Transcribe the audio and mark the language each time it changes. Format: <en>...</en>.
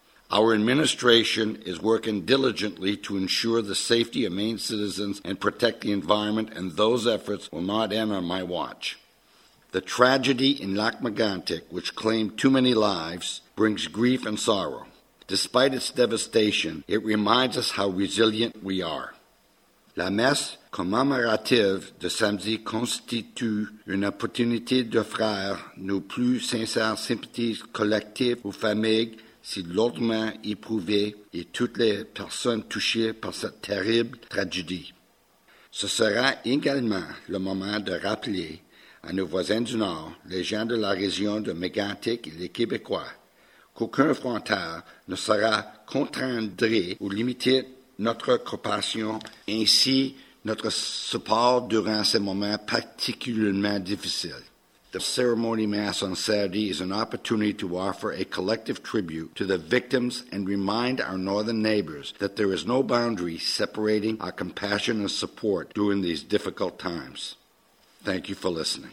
<en>Our administration is working diligently to ensure the safety of Maine citizens and protect the environment, and those efforts will not end on my watch. The tragedy in Lac-Mégantic, which claimed too many lives, brings grief and sorrow. Despite its devastation, it reminds us how resilient we are.</en> <fr>La messe commémorative de samedi constitue une opportunité d'offrir nos plus sincères sympathies collectives aux familles si lourdement éprouvées et toutes les personnes touchées par cette terrible tragédie. Ce sera également le moment de rappeler à nos voisins du Nord, les gens de la région de Mégantic et les Québécois, qu'aucun frontière ne sera contraindré ou limiter notre coopération, ainsi notre support durant ces moments particulièrement difficiles.</fr> <en>The ceremony mass on Saturday is an opportunity to offer a collective tribute to the victims and remind our northern neighbors that there is no boundary separating our compassion and support during these difficult times. Thank you for listening.</en>